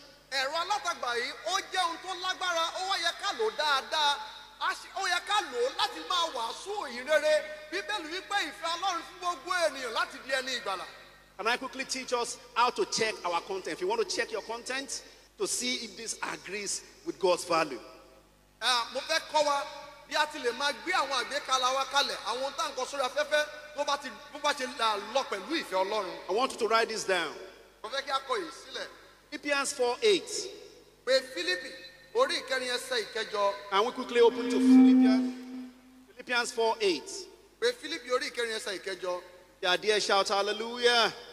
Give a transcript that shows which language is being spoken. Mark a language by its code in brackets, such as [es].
[yo] Ẹ̀rọ alátagbà yìí ó jẹ́ ohun tó lágbára, ó wá yẹ ká lò dáadáa, ó yẹ ká lò láti máa wà sún ìrere. Bíbélì wí pé ìfẹ́ Ọlọ́run fún gbogbo ènìyàn láti di ẹni ìgbàlà. [en] Can I quickly teach us how to check our content? If you want to check your content to see if this agrees with God's value. [yo] Mo fẹ́ kọ́ wa bí a ti lè máa gbé àwọn àgbékalẹ̀ wa kalẹ̀, àwọn ohun tá n kọ sórí afẹ́fẹ́ bó bá ṣe lọ pẹ̀lú ìfẹ́ Ọlọ́run. [en] I want you to write this down. [yo] Mo fẹ́ kí a kọ yìí sílẹ̀. [en] Philippians 4:8. [yo] We Philippi, ori ikeri ese ikejo. [en] And we quickly open to Philippians. Philippians 4:8. [yo] We Philippi, ori ikeri ese ikejo. [en] Yeah, dear, shout hallelujah.